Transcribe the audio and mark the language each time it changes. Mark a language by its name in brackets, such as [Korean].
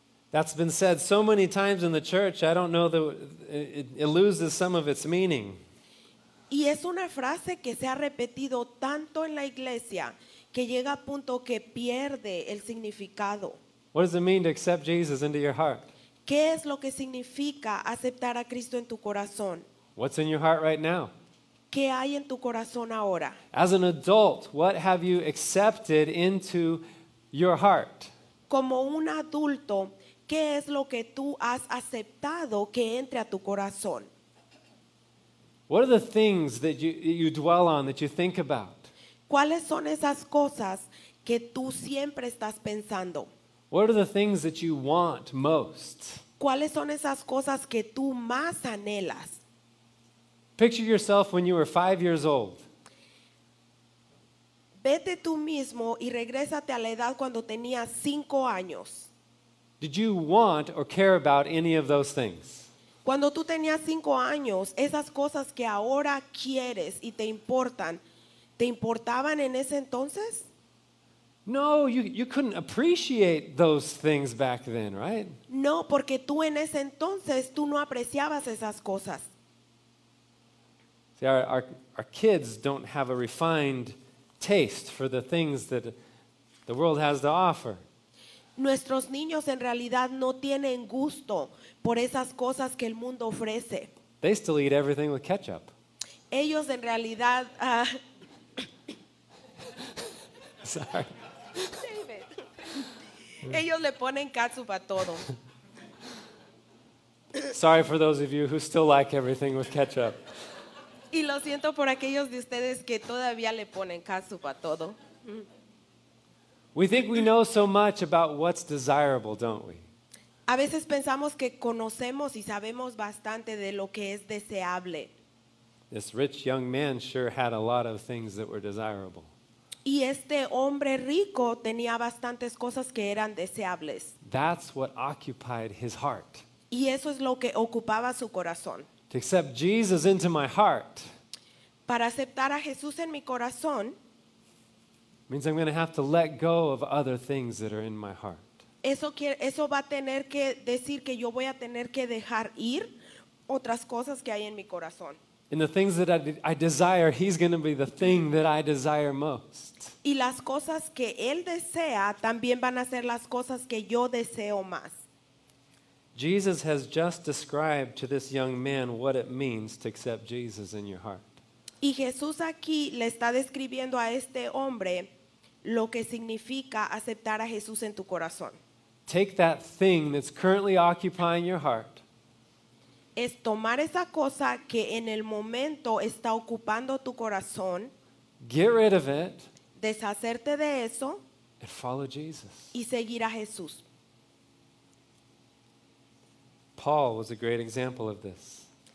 [English] That's been said so many times in the church, I don't know that it loses some of its meaning. [Spanish] Y es una frase que se ha repetido tanto en la iglesia que llega a punto que pierde el significado. [English] What does it mean to accept Jesus into your heart? [Spanish] ¿Qué es lo que significa aceptar a Cristo en tu corazón? [English] What's in your heart right now? [Spanish] ¿Qué hay en tu corazón ahora? [English] As an adult, what have you accepted into your heart? [Spanish] Como un adulto, ¿qué es lo que tú has aceptado que entre a tu corazón? [English] What are the things that you dwell on, that you think about? [Spanish] ¿Cuáles son esas cosas que tú siempre estás pensando? [English] What are the things that you want most? [Spanish] ¿Cuáles son esas cosas que tú más anhelas? [English] Picture yourself when you were 5 years old. [Spanish] Vete tú mismo y regrésate a la edad cuando tenías 5 años. [English] Did you want or care about any of those things? [Spanish] Cuando tú tenías 5 años, esas cosas que ahora quieres y te importan, ¿te importaban en ese entonces? [English] No, you couldn't appreciate those things back then, right? [Spanish] No, porque tú en ese entonces tú no apreciabas esas cosas. [English] See, our kids don't have a refined taste for the things that the world has to offer. [Spanish] Nuestros niños en realidad no tienen gusto por esas cosas que el mundo ofrece. [English] They still eat everything with ketchup. [Spanish] Ellos en realidad [English] Sorry. [Spanish] Ellos le ponen catsup a todo. [English] Sorry for those of you who still like everything with ketchup. [Spanish] Y lo siento por aquellos de ustedes que todavía le ponen catsup a todo. [English] We think we know so much about what's desirable, don't we? [Spanish] A veces pensamos que conocemos y sabemos bastante de lo que es deseable. [English] This rich young man sure had a lot of things that were desirable. [Spanish] Y este hombre rico tenía bastantes cosas que eran deseables. [English] That's what occupied his heart. [Spanish] Y eso es lo que ocupaba su corazón. [English] To accept Jesus into my heart. [Spanish] Para aceptar a Jesús en mi corazón. [English] Means I'm going to have to let go of other things that are in my heart. [Spanish] Eso va a tener que decir que yo voy a tener que dejar ir otras cosas que hay en mi corazón. [English] And the things that I desire, he's going to be the thing that I desire most. [Spanish] Y las cosas que él desea también van a ser las cosas que yo deseo más. [English] Jesus has just described to this young man what it means to accept Jesus in your heart. [Spanish] Y Jesús aquí le está describiendo a este hombre lo que significa aceptar a Jesús en tu corazón. [English] Take that thing that's currently occupying your heart. [Spanish] Es tomar esa cosa que en el momento está ocupando tu corazón. [English] Get rid of it. [Spanish] Deshacerte de eso. [English] And follow Jesus. [Spanish] Y seguir a Jesús. [English] Paul was a great example of this.